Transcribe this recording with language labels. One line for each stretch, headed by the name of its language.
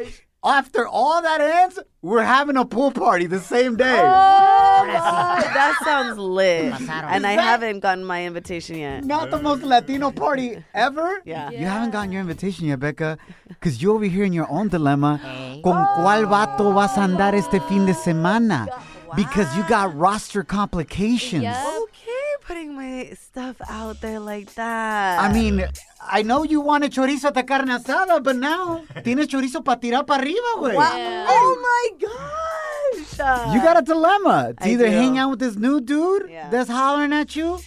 English: And after all that ends, we're having a pool party the same day. Oh, that sounds lit. And I haven't gotten my invitation yet. Not the most Latino party ever? Yeah. You haven't gotten your invitation yet, Becca. Because you're over here in your own dilemma.
Spanish: ¿Con cuál vato vas a andar este fin de semana?
English: Because you got roster complications. Yes. Okay, putting my stuff out there like that. I mean... I know you wanted chorizo at the carne asada, but now
Spanish: tienes chorizo para tirar para arriba, güey.
English: Yeah. Oh my gosh. You got a dilemma. To either hang out with this new dude that's hollering at you.